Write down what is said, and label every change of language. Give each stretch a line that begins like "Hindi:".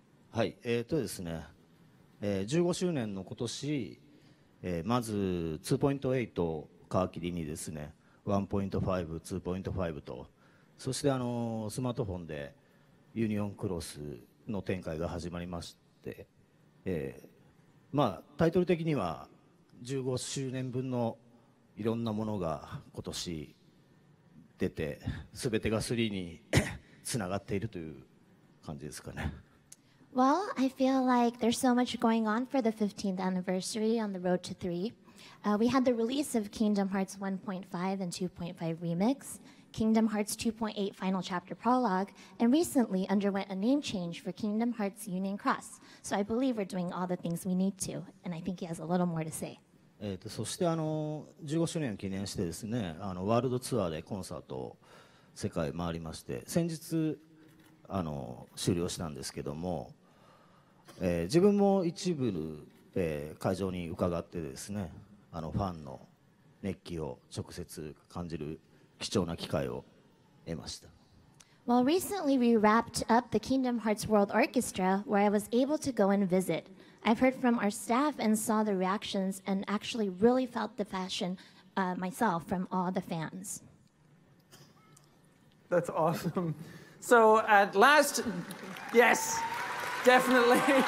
Japanese: はい、ですね、15周年の今年、まず 2.8 を皮切りにですね、1.5、2.5 と、そしてスマートフォンでユニオンクロスの展開が始まりまして、まあタイトル的には15周年分のいろんなものが今年出て、すべてが3につながっているという感じですかね。
English: Well, I feel like there's so much going on for the 15th anniversary on the road to 3. We had the release of Kingdom Hearts 1.5 and 2.5 Remix, Kingdom Hearts 2.8 Final Chapter Prologue, and recently underwent a name change for Kingdom Hearts Union Cross. So I believe we're doing all the things we need to, and I think he has a little more to say.
Japanese: そして15周年を記念してですね、ワールドツアーでコンサートを世界回りまして、先日終了したんですけども、自分も一部会場に伺ってですね、あのファンの熱気を直接感じる貴重な機会を得ました。
English: Well, recently we wrapped up the Kingdom Hearts World Orchestra, where I was able to go and visit. I've heard from our staff and saw the reactions and actually really felt the passion myself from all the fans. That's awesome. So at last, yes, definitely.